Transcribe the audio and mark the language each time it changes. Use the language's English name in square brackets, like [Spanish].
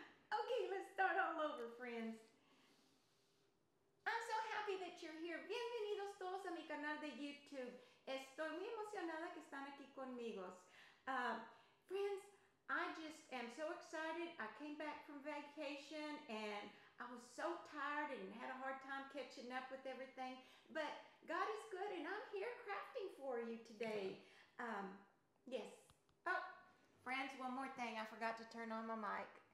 [English] Okay, let's start all over, friends. I'm so happy that you're here. [Spanish] Bienvenidos todos a mi canal de YouTube. Estoy muy emocionada que están aquí conmigo. [English] Friends, I just am so excited. I came back from vacation and I was so tired and had a hard time catching up with everything. But God is good and I'm here crafting for you today. Yes. Oh, friends, one more thing. I forgot to turn on my mic.